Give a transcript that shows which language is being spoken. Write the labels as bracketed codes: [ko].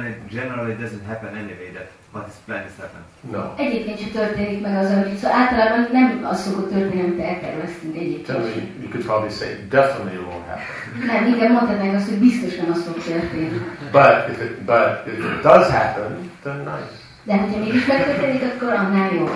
[en] Generally it doesn't happen anyway, that what is planned is happening. No. [hu] Egyébként sem történik meg az, amit szó. Általában nem az szokott történni, amit elterveztünk egyébként. [en] Tell me, you could probably say, definitely it won't happen. [hu] Nem, igen, mondhatnánk azt, hogy biztosan az fog történni. [en] But if it does happen, then nice. [hu] De hogyha mégis megtörténik, akkor annál jó.